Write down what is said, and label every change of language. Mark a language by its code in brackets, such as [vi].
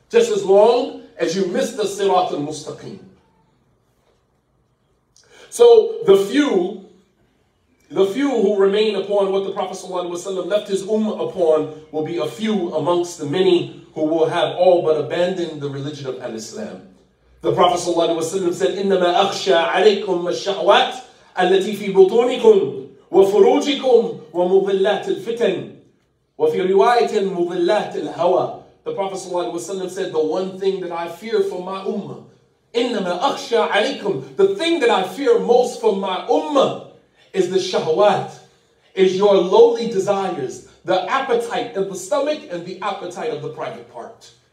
[en] Just as long as you miss the sirat al-mustaqim. So the few who remain upon what the Prophet ﷺ left his ummah upon will be a few amongst the many who will have all but abandoned the religion of al-Islam. The Prophet ﷺ said, [ar] إِنَّمَا أَخْشَى عَلَيْكُمَّ الشَّعْوَاتِ أَلَّتِي فِي بُطُونِكُمْ وَفُرُوجِكُمْ وَمُضِلَّاتِ الْفِتَنِ وَفِي رِوَايَةٍ مُضِلَّاتِ الْهَوَى. [en] The Prophet ﷺ said, the one thing that I fear for my ummah, [ar] إِنَّمَا أَخْشَى عَلَيْكُمْ, [en] the thing that I fear most for my ummah is the shahwat, is your lowly desires, the appetite of the stomach and the appetite of the private part.